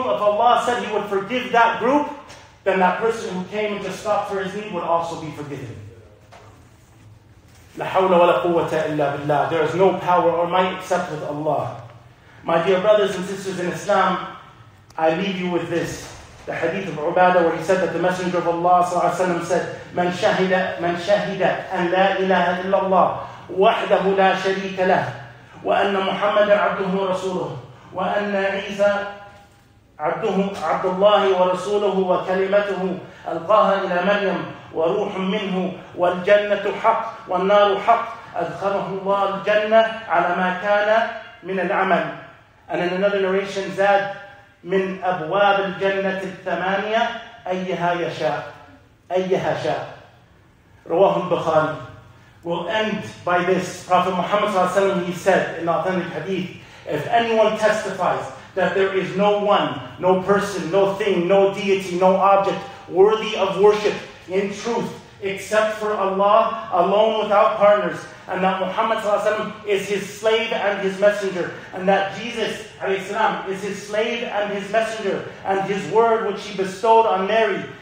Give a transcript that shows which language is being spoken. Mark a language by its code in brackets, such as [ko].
[en] If Allah said He would forgive that group, then that person who came and just stopped for his need would also be forgiven. [ar] لا حول ولا قوة إلا بالله. [en] There is no power or might except with Allah. My dear brothers and sisters in Islam, I leave you with this. The hadith of Ubadah where he said that the Messenger of Allah sallallahu alayhi wa sallam said, [ar] من شهد أن لا إله إلا الله وحده لا شريك له وأن محمد عبده ورسوله وأن عيسى عبده عبد الله ورسوله وكلمته ألقاها إلى مريم وروح منه والجنة حق والنار حق أدخله الله الجنة على ما كان من العمل. [en] And in another narration [ar] زاد من أبواب الجنة الثمانية أيها يشاء أيها شاء. رواه البخاري. [en] We'll end by this. Prophet Muhammad [ar] صلى الله عليه وسلم, [en] he said in authentic hadith, if anyone testifies that there is no one, no person, no thing, no deity, no object worthy of worship in truth except for Allah alone without partners, and that Muhammad sallallahu alaihi wasallam is his slave and his messenger, and that Jesus alayhi salam is his slave and his messenger, and his word which he bestowed on Mary,